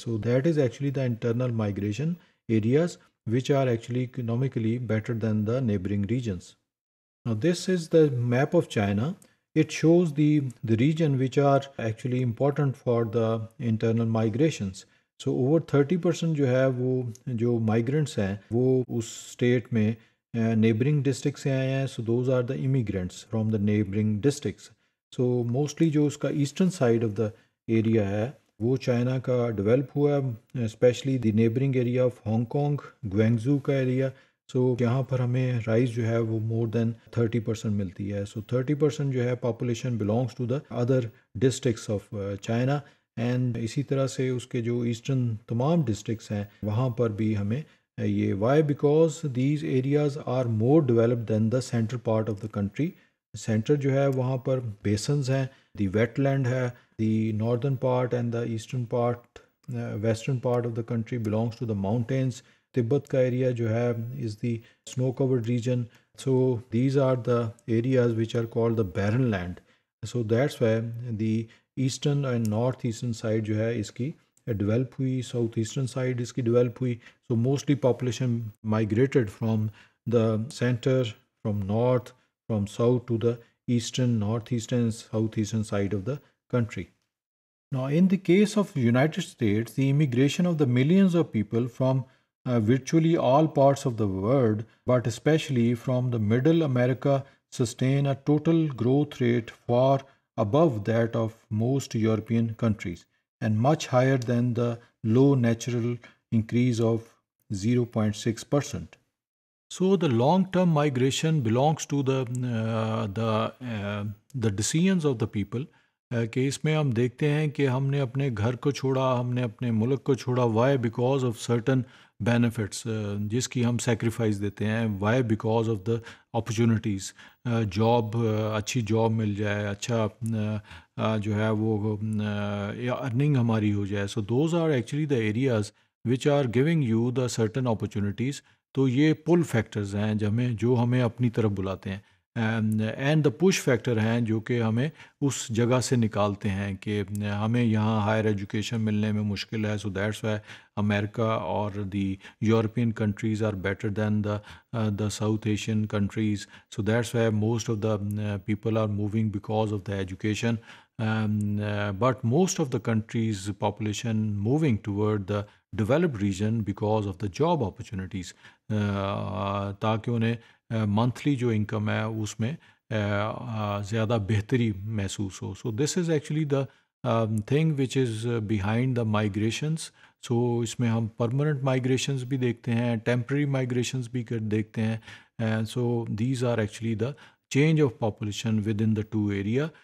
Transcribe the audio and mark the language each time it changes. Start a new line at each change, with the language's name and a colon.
English: So, that is actually the internal migration areas, which are actually economically better than the neighboring regions. Now, this is the map of China. It shows the region which are actually important for the internal migrations.
Urdu: So over 30% جو ہے وہ جو migrants ہیں وہ اس state میں neighbouring districts سے آئے ہیں.
English: So those are the immigrants from the neighbouring districts. So mostly
Urdu: جو اس کا
English: eastern side of the area ہے
Urdu: وہ چائنا کا ڈیولپ ہوا ہے,
English: Especially the neighbouring area of Hong Kong, Guangzhou کا ایریا.
Urdu: سو یہاں پر ہمیں رائز جو ہے وہ مور دین 30% ملتی ہے.
English: so 30% جو ہے population belongs to the other districts of China,
Urdu: and اسی طرح سے اس کے جو ایسٹرن تمام ڈسٹرکٹس ہیں وہاں پر بھی ہمیں یہ.
English: Why? Because these areas are more developed than the centre part of the country.
Urdu: Centre جو ہے وہاں پر بیسنز ہیں,
English: The wetland ہے, the northern part and the eastern part, western part of the country belongs to the mountains.
Urdu: تبت کا area جو ہے
English: Is the snow covered region. So these are the areas which are call the barren land. So that's why the eastern and north eastern side
Urdu: جو ہے اس کی develop ہوئی,
English: south eastern side
Urdu: اس کی develop ہوئی.
English: So mostly population migrated from the centre, from north, from south to the eastern, north eastern, south eastern side of the country.
Urdu: نا
English: In the case of United States, the immigration of the millions of people from virtually all parts of the world but especially from the middle america sustain a total growth rate far above that of most european countries and much higher than the low natural increase of 0.6%. so the long term migration belongs to the decisions of the people.
Urdu: کہ اس میں ہم دیکھتے ہیں کہ ہم نے اپنے گھر کو چھوڑا, ہم نے اپنے ملک کو چھوڑا.
English: Why? Because of certain benefits
Urdu: جس کی ہم سیکریفائس دیتے ہیں.
English: Why? Because of the opportunities,
Urdu: job, اچھی جاب مل جائے, اچھا جو ہے وہ ارننگ ہماری ہو جائے.
English: So those are actually the areas which are giving you the certain opportunities.
Urdu: تو یہ پل فیکٹرز ہیں جو ہمیں اپنی طرف بلاتے ہیں,
English: and the push factor
Urdu: ہیں جو کہ ہمیں اس جگہ سے نکالتے ہیں کہ ہمیں یہاں ہائر ایجوکیشن ملنے میں مشکل ہے.
English: so that's why America
Urdu: اور
English: The European countries are better than the South Asian countries. So that's why most of the people are moving because of the education. But most of the countries population moving toward the developed region because of the job opportunities,
Urdu: تاکہ انہیں monthly جو income ہے اس میں زیادہ بہتری محسوس ہو.
English: So this is actually the thing which is behind the migrations.
Urdu: سو اس میں ہم پرماننٹ مائگریشنس بھی دیکھتے ہیں, ٹیمپرری مائگریشنس بھی دیکھتے ہیں.
English: so these are actually the change of population
Urdu: with in
English: The two area.